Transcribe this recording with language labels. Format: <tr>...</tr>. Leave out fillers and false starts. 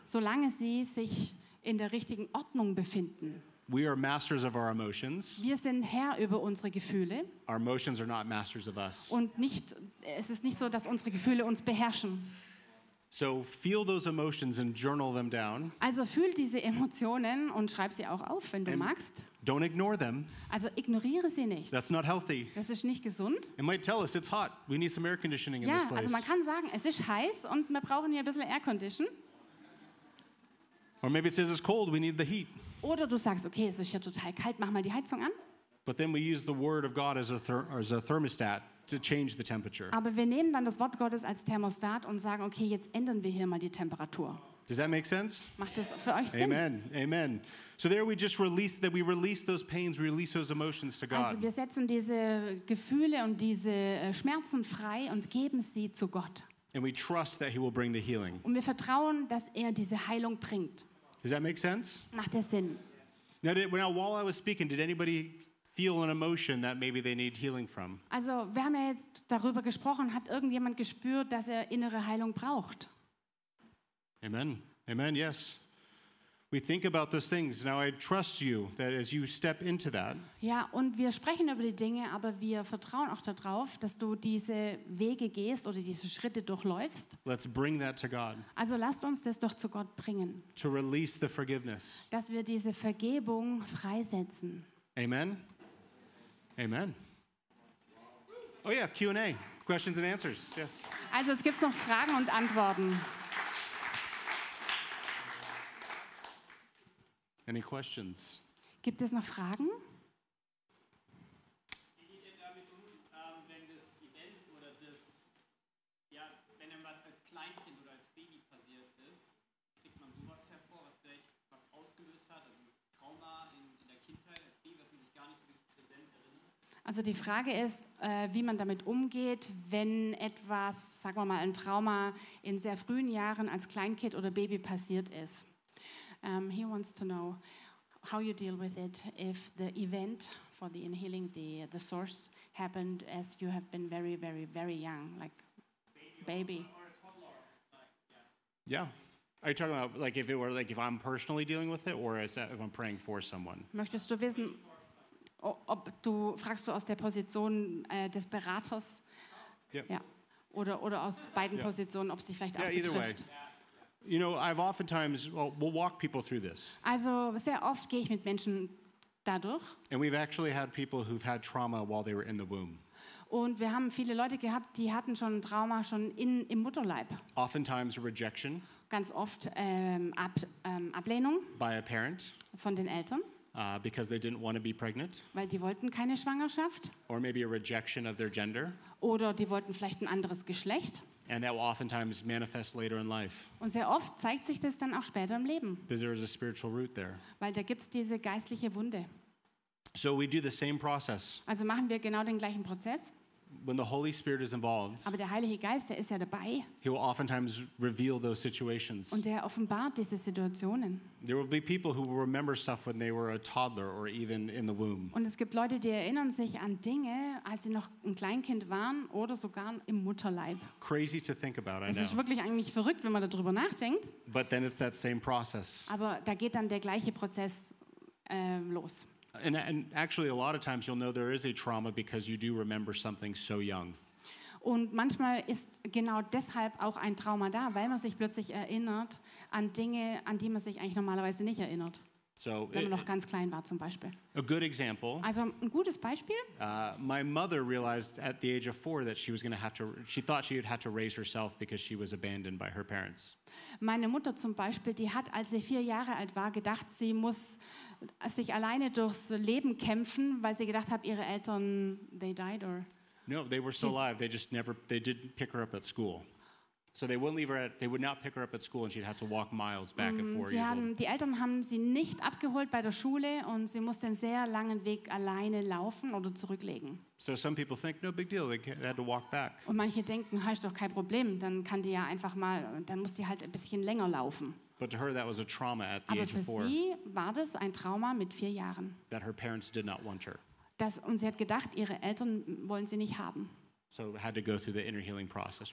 <de>Solange sie sich in der richtigen Ordnung befinden.</de> <en>We are masters of our emotions.</en> <de>Wir sind Herr über unsere Gefühle.</de> <en>Our emotions are not masters of us.</en> <de>Und nicht, es ist nicht so, dass unsere Gefühle uns beherrschen.</de> <en>So feel those emotions and journal them down.</en> <de>Also fühl diese Emotionen und schreib sie auch auf, wenn du magst.</de> <en>Don't ignore them.</en> <de>Also ignoriere sie nicht.</de> <en>That's not healthy.</en> <de>Das ist nicht gesund.</de> <en>It might tell us it's hot. We need some air conditioning in</en> <de>ja,</de> <en>this place.</en> <de>Also man kann sagen, es ist heiß und wir brauchen hier ein bisschen Air Condition.</de> <en>Or maybe it says it's cold. We need the heat.</en> <de>Oder du sagst, okay, es ist ja total kalt, mach mal die Heizung an.</de> <en>But then we use the word of God as a thermostat to change the temperature.</en> <de>Aber wir nehmen dann das Wort Gottes als Thermostat und sagen, okay, jetzt ändern wir hier mal die Temperatur.</de> <en>Does that make sense?</en> <de>Macht das für euch Sinn?</de> <en>Amen. Amen. So there we just release that we release those pains, we release those emotions to God.</en> <de>Also wir setzen diese Gefühle und diese Schmerzen frei und geben sie zu Gott.</de> <en>And we trust that he will bring the healing.</en> <de>Und wir vertrauen, dass er diese Heilung bringt.</de> <en>Does that make sense?</en> <de>Macht das Sinn?</de> <en>Now, while I was speaking, did anybody feel an emotion that maybe they need healing from?</en> <de>Also, wir haben ja jetzt darüber gesprochen. Hat irgendjemand gespürt, dass er innere Heilung braucht?</de> <en>Amen. Amen. Yes. We think about those things. Now I trust you that as you step into that.</en> <de>Ja, und wir sprechen über die Dinge, aber wir vertrauen auch darauf, dass du diese Wege gehst oder diese Schritte durchläufst.</de> <en>Let's bring that to God.</en> <de>Also lasst uns das doch zu Gott bringen.</de> <en>To release the forgiveness.</en> <de>Dass wir diese Vergebung freisetzen.</de> <en>Amen. Amen. Oh yeah, Q&A. Questions and answers. Yes.</en> <de>Also es gibt noch Fragen und Antworten.</de> <en>Any questions?</en> <de>Gibt es noch Fragen? Wie geht ihr damit um, wenn das Event oder das, ja, wenn einem was als Kleinkind oder als Baby passiert ist, kriegt man sowas hervor, was vielleicht was ausgelöst hat, also Trauma in der Kindheit als Baby, was man sich gar nicht so richtig präsent erinnert? Also die Frage ist, wie man damit umgeht, wenn etwas, sagen wir mal, ein Trauma in sehr frühen Jahren als Kleinkind oder Baby passiert ist.</de> <en>He wants to know how you deal with it if the event for the inhaling, the source, happened as you have been very, very, very young, like baby. Or a toddler. Yeah. Are you talking about like if it were like if I'm personally dealing with it or is that if I'm praying for someone?</en> <de>Möchtest du wissen, ob du fragst du aus der Position des Beraters?</de> <en>Yeah. Yeah.</en> <de>Oder aus beiden Positionen, ob sich vielleicht auch betrifft.</de> <en>Yeah, either way. You know, I've oftentimes, well, we'll walk people through this.</en> <de>Also, sehr oft gehe ich mit Menschen dadurch.</de> <en>And we've actually had people who've had trauma while they were in the womb.</en> <de>Und wir haben viele Leute gehabt, die hatten schon Trauma schon im Mutterleib.</de> <en>Oftentimes rejection.</en> <de>Ganz oft Ablehnung.</de> <en>By a parent.</en> <de>Von den Eltern.</de> <en>Because they didn't want to be pregnant.</en> <de>Weil die wollten keine Schwangerschaft.</de> <en>Or maybe a rejection of their gender.</en> <de>Oder die wollten vielleicht ein anderes Geschlecht.</de> <en>And that will oftentimes manifest later in life.</en> <de>Und sehr oft zeigt sich das dann auch später im Leben.</de> <en>Because there is a spiritual root there.</en> <de>Weil da gibt's diese geistliche Wunde.</de> <en>So we do the same process.</en> <de>Also machen wir genau den gleichen Prozess.</de> <en>When the Holy Spirit is involved.</en> <de>Aber der Heilige Geist, der ist ja dabei.</de> <en>He will oftentimes reveal those situations.</en> <de>Und er offenbart diese Situationen.</de> <en>There will be people who will remember stuff when they were a toddler or even in the womb.</en> <de>Und es gibt Leute, die erinnern sich an Dinge, als sie noch ein Kleinkind waren oder sogar im Mutterleib.</de> <en>Crazy to think about, I know.</en> <de>Es ist wirklich eigentlich verrückt, wenn man darüber nachdenkt.</de> <en>But then it's that same process.</en> <de>Aber da geht dann der gleiche Prozess los.</de> <en>And actually, a lot of times you'll know there is a trauma because you do remember something so young.</en> <de>Und manchmal ist genau deshalb auch ein Trauma da, weil man sich plötzlich erinnert an Dinge, an die man sich eigentlich normalerweise nicht erinnert, so wenn man noch ganz klein war, zum Beispiel.</de> <en>A good example.</en> <de>Also ein gutes Beispiel.</de> <en>My mother realized at the age of 4 that she was going to have to. She thought she had had to raise herself because she was abandoned by her parents.</en> <de>Meine Mutter zum Beispiel, die hat, als sie 4 Jahre alt war, gedacht, sie muss sich alleine durchs Leben kämpfen, weil sie gedacht hat, ihre Eltern,</de> <en>they died or. No, they were still alive. They just never, they didn't pick her up at school. So they wouldn't leave her at, they would not pick her up at school and she'd have to walk miles back at 4 years old.</en> <de>Die Eltern haben sie nicht abgeholt bei der Schule und sie musste einen sehr langen Weg alleine laufen oder zurücklegen.</de> <en>So some people think, no big deal, they had to walk back.</en> <de>Und manche denken, ist doch kein Problem, dann kann die ja einfach mal, dann muss die halt ein bisschen länger laufen.</de> <en>But to her that was a trauma at the</en> <de>Aber</de> <en>age of 4.</en> <de>Aber für sie war das ein Trauma mit 4 Jahren.</de> <en>That her parents did not want her.</en> <de>Das, und sie hat gedacht, ihre Eltern wollen sie nicht haben.</de> <en>So had to go through the inner healing process.</en>